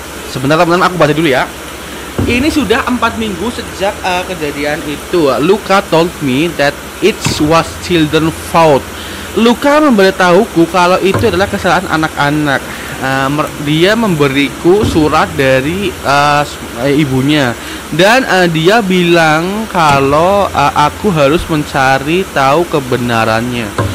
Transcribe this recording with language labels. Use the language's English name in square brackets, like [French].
[Indonesian] sebentar teman-teman, aku baca dulu ya. Ini sudah 4 minggu sejak kejadian itu. [English] Luca told me that it was children's fault. [Indonesian] Luca memberitahuku kalau itu adalah kesalahan anak-anak. Dia memberiku surat dari ibunya. Dan dia bilang kalau aku harus mencari tahu kebenarannya.